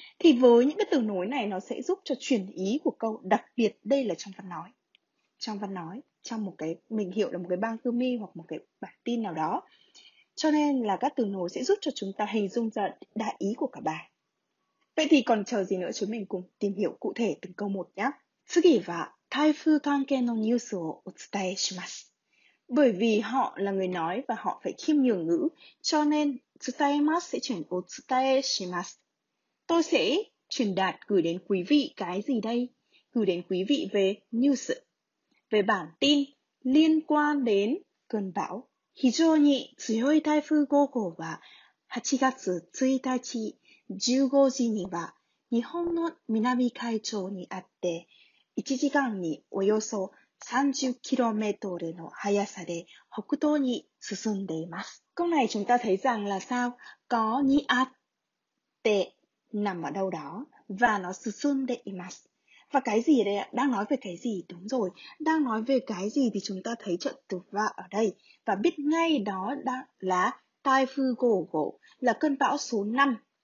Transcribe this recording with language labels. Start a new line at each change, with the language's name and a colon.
Vietnamese: Thì với những cái từ nối này, nó sẽ giúp cho chuyển ý của câu, đặc biệt đây là trong văn nói. Trong văn nói, trong một cái, mình hiểu là một cái bangumi hoặc một cái bản tin nào đó. Cho nên là các từ nối sẽ giúp cho chúng ta hình dung ra đại ý của cả bài. Vậy thì còn chờ gì nữa, chúng mình cùng tìm hiểu cụ thể từng câu một nhé.
Japanese: 次は台風関係のニュースをお伝えします。
Vietnamese: Bởi vì họ là người nói và họ phải kiêm nhiều ngữ, cho nên 伝えます sẽ chuyển お伝えします。 Tôi sẽ truyền đạt gửi đến quý vị cái gì đây? Gửi đến quý vị về news, về bản tin liên quan đến cơn bão.
Japanese: 非常に強い台風5号は8月1日15時には日本の南海上にあって1時間におよそ 30km の速さで北東に進んでいます。
Vietnamese: câu này chúng ta thấy rằng là sao? Có にあって nằm ở đâu đó và nó 進んでいます。 và cái gì đây ạ? Đang nói về cái gì? Đúng rồi. Đang nói về cái gì thì chúng ta thấy trợ từ và ở đây và biết ngay đó là Taifu Gogo, là cơn bão số 5.